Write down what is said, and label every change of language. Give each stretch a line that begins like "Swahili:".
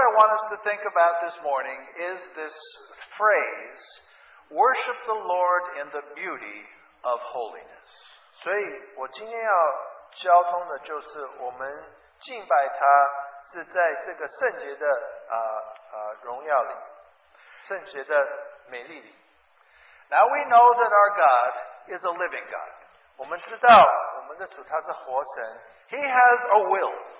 English: I want us to think about this morning is this phrase, worship the Lord in the beauty of holiness.
Chinese: 所以我今天要交通的就是我们敬拜他是在这个圣洁的荣耀里。
English: Now we know that our God is a living God. He has a will.